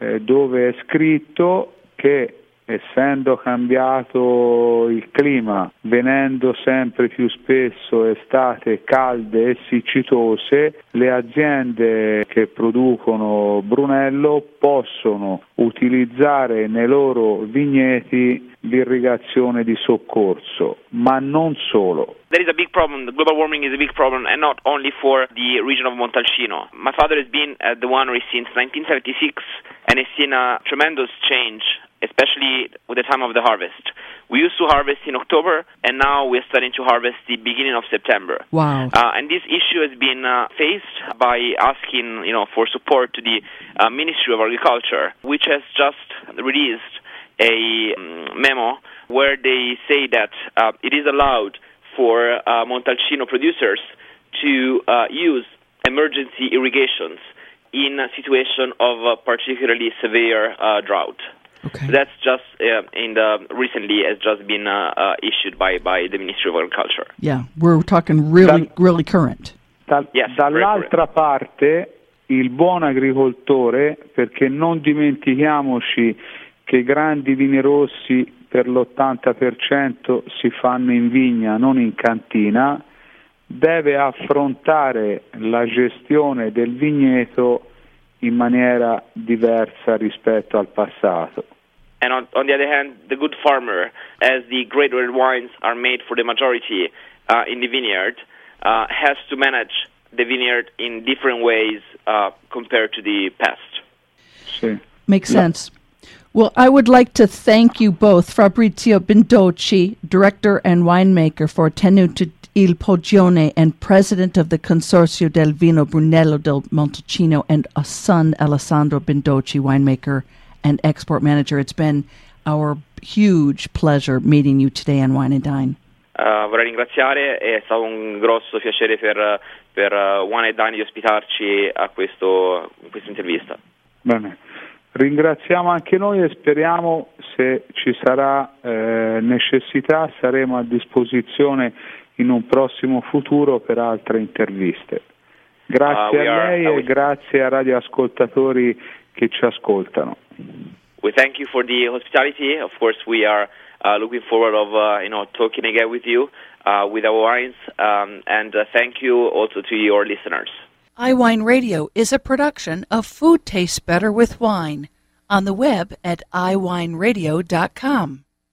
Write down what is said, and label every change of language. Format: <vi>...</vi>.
<it>dove è scritto che, essendo cambiato il clima, venendo sempre più spesso estate calde e siccitose, le aziende che producono Brunello possono utilizzare nei loro vigneti l'irrigazione di soccorso, ma non solo.</it> <en>There is a big problem. The global warming is a big problem, and not only for the region of Montalcino. My father has been at the winery since 1976, and has seen a tremendous change, especially with the time of the harvest. We used to harvest in October, and now we're starting to harvest the beginning of September. Wow. And this issue has been faced by asking, you know, for support to the Ministry of Agriculture, which has just released a memo where they say that it is allowed for Montalcino producers to use emergency irrigations in a situation of a particularly severe drought. Okay. That's just recently has just been issued by the Ministry of Agriculture. Yeah, we're talking really really current. Yes,</en> <it>dall'altra parte, il buon agricoltore, perché non dimentichiamoci che i grandi vini rossi per l'80% si fanno in vigna, non in cantina, deve affrontare la gestione del vigneto in maniera diversa rispetto al passato.</it> <en>And on the other hand, the good farmer, as the great red wines are made for the majority in the vineyard, has to manage the vineyard in different ways compared to the past.</en> <it>Sì.</it> <en>Makes sense. Well, I would like to thank you both, Fabrizio Bindocchi, director and winemaker for Tenuto Il Poggione and president of the Consorzio del Vino Brunello del Montalcino, and a son, Alessandro Bindocchi, winemaker and export manager. It's been our huge pleasure meeting you today on Wine and Dine.</en> <it>Vorrei ringraziare, è stato un grosso piacere per Wine and Dine di ospitarci a questa intervista. Bene, ringraziamo anche noi e speriamo, se ci sarà necessità, saremo a disposizione in un prossimo futuro per altre interviste. Grazie a lei e grazie a radioascoltatori che ci ascoltano.</it> <en>We thank you for the hospitality. Of course, we are looking forward of talking again with you with our wines, and thank you also to your listeners. iWine Radio is a production of Food Tastes Better with Wine on the web at iwineradio.com.</en>